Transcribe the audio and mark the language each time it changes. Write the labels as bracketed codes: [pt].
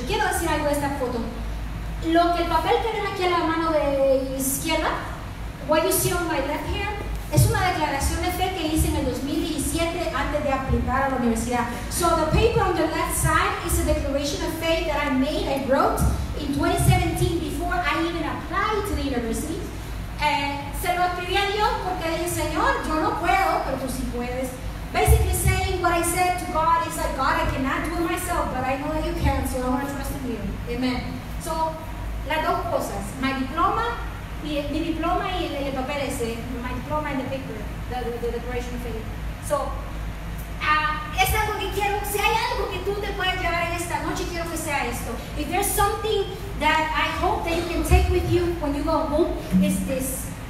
[es] Quiero decir algo de esta foto. Lo que el papel que ven aquí a la mano de izquierda, [en] what you see on my left hand, [es] es una declaración de fe que hice en el 2017 antes de aplicar a la universidad. [en] So the paper on the left side is a declaration of faith that I made, I wrote in 2017 before I even applied to the university. [es] Se lo escribí a Dios porque dije, Señor, yo no puedo, pero tú sí puedes. [en] Basically saying what I said to God is like, God, I cannot do it myself, but I know that you can, so I want to trust in you. [es] Amen. So, las dos cosas, mi diploma y el papel ese, [en] my diploma and the paper, the declaration of faith. [es] So, es algo que quiero, si hay algo que tú te puedes llevar en esta noche, quiero que sea esto. [en] If there's something that I hope that you can take with you when you go home, is this.